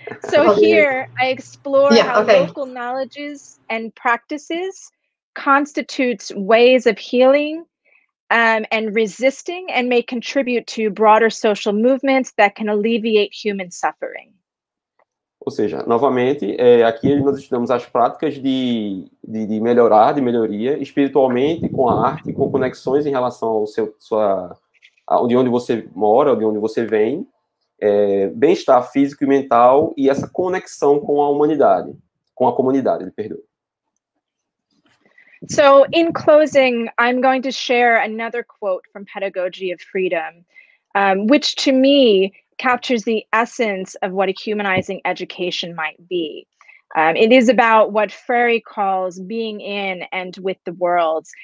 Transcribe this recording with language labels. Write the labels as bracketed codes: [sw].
[en] So here I explore how local knowledges and practices constitutes ways of healing and resisting and may contribute to broader social movements that can alleviate human suffering. [pt] Ou seja, novamente, aqui nós estudamos as práticas de melhorar, de melhoria, espiritualmente, com a arte, com conexões em relação ao de onde você mora, de onde você vem, bem-estar físico e mental e essa conexão com a humanidade, com a comunidade, perdão. [en] So, in closing, I'm going to share another quote from Pedagogy of Freedom, which to me captures the essence of what a humanizing education might be. It is about what Freire calls being in and with the world.